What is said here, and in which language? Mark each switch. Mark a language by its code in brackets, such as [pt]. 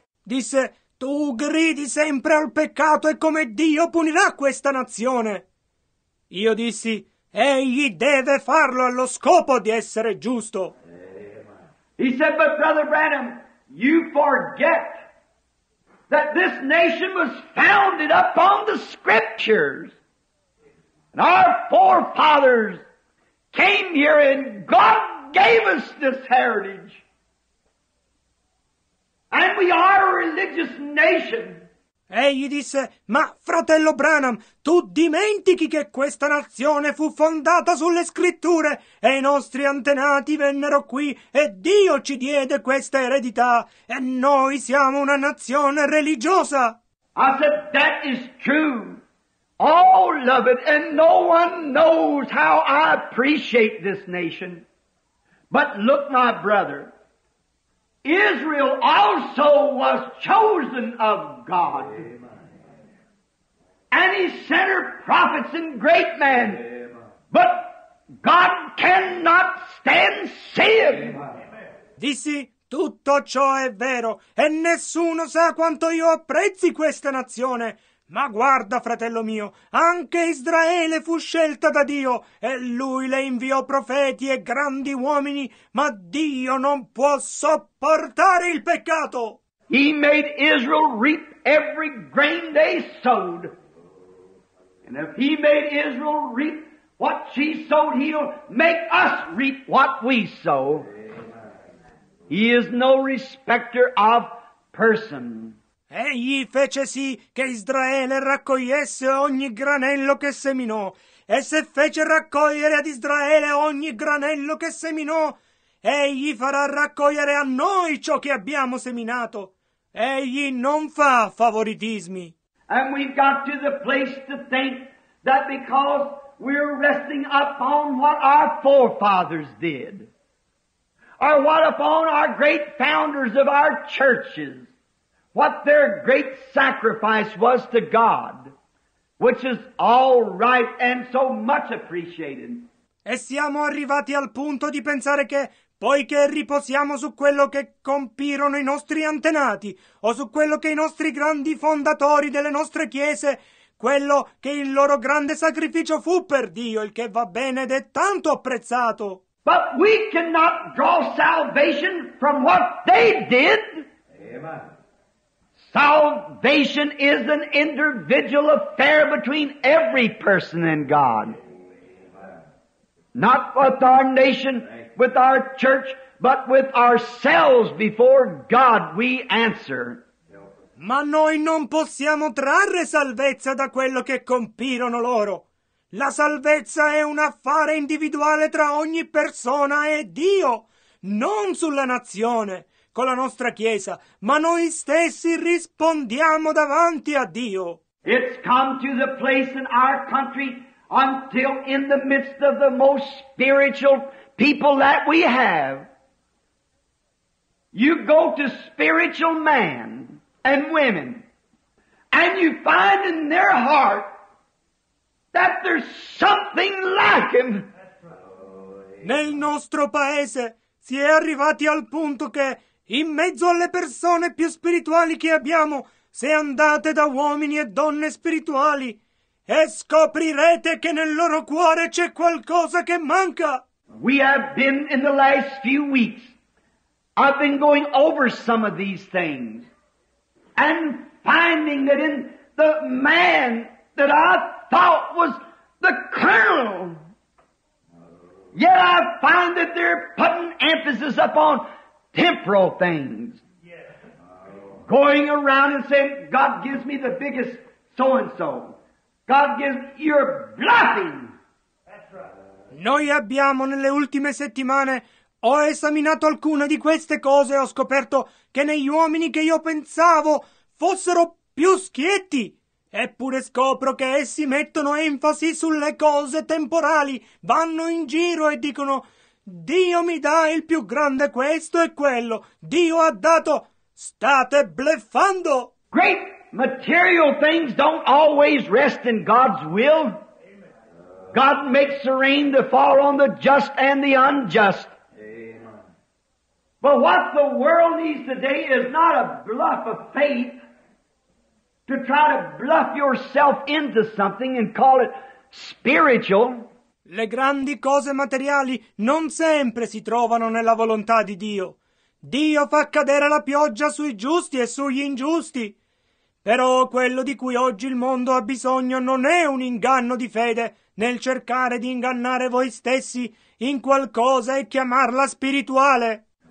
[it] Disse, tu gridi sempre al peccato e come Dio punirà questa nazione. Io dissi, egli deve farlo allo scopo di essere giusto. [en] He said, but Brother Branham, you forget that this nation was founded upon the scriptures. And our forefathers came here and God gave us this heritage. And we are a religious nation. [it] Egli disse, ma fratello Branham, tu dimentichi che questa nazione fu fondata sulle scritture e i nostri antenati vennero qui e Dio ci diede questa eredità e noi siamo una nazione religiosa. [en] I said, that is true. Oh, love it, and no one knows how I appreciate this nation. But look, my brother. Israel also was chosen of God. And he sent her prophets and great men. But God cannot stand sin. [it] Dissi, tutto ciò è vero, e nessuno sa quanto io apprezzi questa nazione. Ma guarda, fratello mio, anche Israele fu scelta da Dio, e lui le inviò profeti e grandi uomini, ma Dio non può sopportare il peccato. [en] He made Israel reap every grain they sowed. And if he made Israel reap what she sowed, he'll make us reap what we sow. He is no respecter of person. [it] Egli fece sì che Israele raccogliesse ogni granello che seminò, e se fece raccogliere ad Israele ogni granello che seminò, egli farà raccogliere a noi ciò che abbiamo seminato. Egli non fa favoritismi. [en] And we've got to the place to think that because we're resting upon what our forefathers did, or what upon our great founders of our churches, what their great sacrifice was to God, which is all right and so much appreciated. [it] E siamo arrivati al punto di pensare che, poiché riposiamo su quello che compirono i nostri antenati, o su quello che i nostri grandi fondatori delle nostre chiese, quello che il loro grande sacrificio fu per Dio, il che va bene ed è tanto apprezzato. [en] But we cannot draw salvation from what they did. Amen. Salvation is an individual affair between every person and God. Not with our nation, with our church, but with ourselves before God we answer. [it] Ma noi non possiamo trarre salvezza da quello che compirono loro. La salvezza è un affare individuale tra ogni persona e Dio, non sulla nazione. Con la nostra Chiesa, ma noi stessi rispondiamo davanti a Dio. [en] It's come to the place in our country until in the midst of the most spiritual people that we have. You go to spiritual men and women and you find in their heart that there's something lacking. [it] Nel nostro paese si è arrivati al punto che in mezzo alle persone più spirituali che abbiamo, se andate da uomini e donne spirituali, e scoprirete che nel loro cuore c'è qualcosa che manca. [en] We have been in the last few weeks, I've been going over some of these things, and finding that in the man that I thought was the kernel, yet I find that they're putting emphasis upon temporal things. Going around and saying, God gives me the biggest so-and-so. God gives, you're bluffing. [it] Noi abbiamo nelle ultime settimane, ho esaminato alcune di queste cose e ho scoperto che negli uomini che io pensavo fossero più schietti, eppure scopro che essi mettono enfasi sulle cose temporali, vanno in giro e dicono, Dio mi dà il più grande questo e quello. Dio ha dato. State bluffando. [en] Great material things don't always rest in God's will. God makes the rain to fall on the just and the unjust. But what the world needs today is not a bluff of faith to try to bluff yourself into something and call it spiritual. [it] Le grandi cose materiali non sempre si trovano nella volontà di Dio. Dio fa cadere la pioggia sui giusti e sugli ingiusti. Però quello di cui oggi il mondo ha bisogno non è un inganno di fede nel cercare di ingannare voi stessi in qualcosa e chiamarla spirituale.